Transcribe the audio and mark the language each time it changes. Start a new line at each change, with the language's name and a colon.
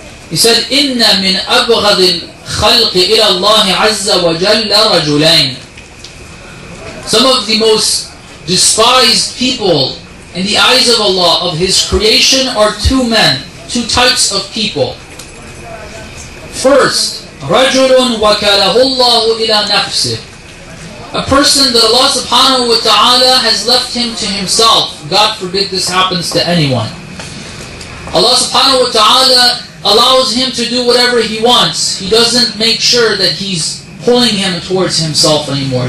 English: He said, Inna min abghad al-khalq ila Allah azza wa jalla rajulain. Some of the most despised people in the eyes of Allah, of His creation, are two men, two types of people. First,
Arabic: رَجُلٌ وَكَلَهُ اللَّهُ إِلَىٰ نَفْسِهِ.
English: A person that Allah subhanahu wa ta'ala has left him to himself. God forbid this happens to anyone. Allah subhanahu wa ta'ala allows him to do whatever he wants. He doesn't make sure that he's pulling him towards himself anymore.